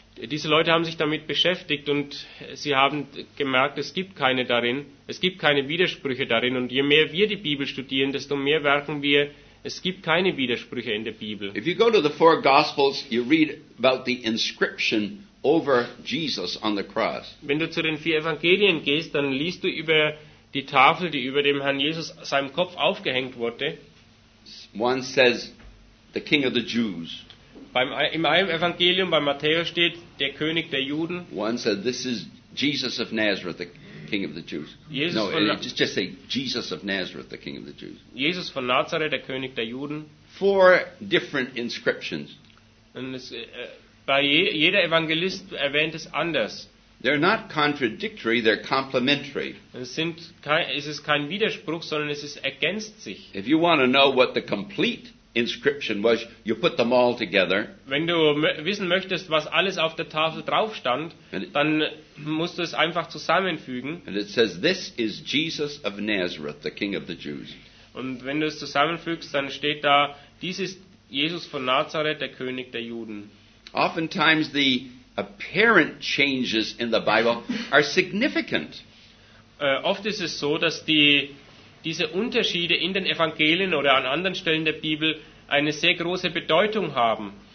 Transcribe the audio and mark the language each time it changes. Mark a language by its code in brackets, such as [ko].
[de] Diese Leute haben sich damit beschäftigt und sie haben gemerkt, es gibt keine Widersprüche darin. Und je mehr wir die Bibel studieren, desto mehr merken wir, es gibt keine Widersprüche in der Bibel. [en] If you go to the four Gospels, you read about the inscription over Jesus on the cross. [de] Wenn du zu den vier Evangelien gehst, dann liest du über die Tafel, die über dem Herrn Jesus seinem Kopf aufgehängt wurde. [en] One says, the King of the Jews. [de] In einem Evangelium bei Matthäus steht der König der Juden. [en] One said, "This is Jesus of Nazareth, the King of the Jews." Jesus of Nazareth, the King of the Jews. [de] Jesus von Nazareth, der König der Juden. [en] Four different inscriptions. [de] Und jeder Evangelist erwähnt es anders. [en] They're not contradictory, they're complementary. [de] Es ist kein Widerspruch, sondern es ist ergänzt sich. [en] If you want to know what the complete inscription was, you put them all together. [de] Wenn du wissen möchtest, was alles auf der Tafel drauf stand, dann musst du es einfach zusammenfügen. [en] And it says, "This is Jesus of Nazareth, the King of the Jews." [de] Und wenn du es zusammenfügst, dann steht da, dies ist Jesus von Nazareth, der König der Juden. [en] Oftentimes the apparent changes in the Bible are significant. [de] Oft ist es so, dass diese Unterschiede in den Evangelien oder an anderen Stellen der Bibel eine sehr große Bedeutung haben.